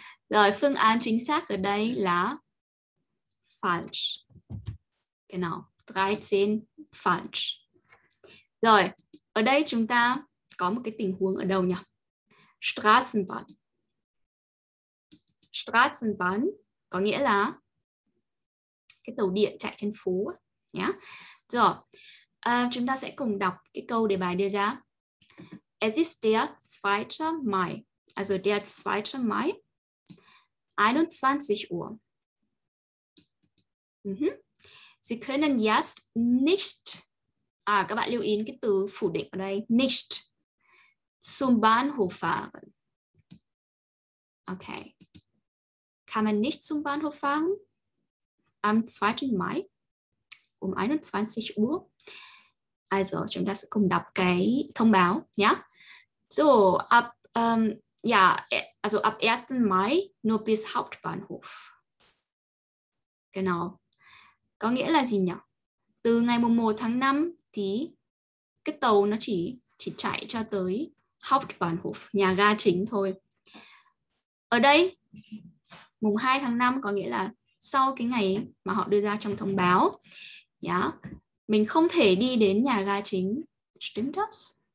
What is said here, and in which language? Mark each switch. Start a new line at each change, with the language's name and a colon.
Vietnamese: Rồi, phương án chính xác ở đây là falsch.
German: Genau, 13 falsch.
Vietnamese: Rồi, ở đây chúng ta có một cái tình huống ở đâu nhỉ? Straßenbahn. Straßenbahn có nghĩa là cái tàu điện chạy trên phố nhé. Rồi, chúng ta sẽ cùng đọc cái câu đề bài đưa ra.
German: Es ist der zweite Mai. Also der 2. Mai, 21 Uhr. Mhm. Sie können jetzt nicht,
Vietnamese: các bạn lưu ý cái từ phủ định ở đây,
German: nicht zum Bahnhof fahren.
Vietnamese: Okay.
German: Kann man nicht zum Bahnhof fahren am 2. Mai um 21 Uhr?
Vietnamese: Also, chúng ta sẽ cùng đọc cái thông báo nhá.
German: So, ab ja, also ab 1. Mai nur bis Hauptbahnhof.
Vietnamese: Genau. Có nghĩa là gì nhỉ? Từ ngày 1 tháng 5 thì cái tàu nó chỉ chạy cho tới Hauptbahnhof, nhà ga chính thôi. Ở đây, mùng 2 tháng 5 có nghĩa là sau cái ngày mà họ đưa ra trong thông báo, yeah, mình không thể đi đến nhà ga chính.
German: Stimmt das?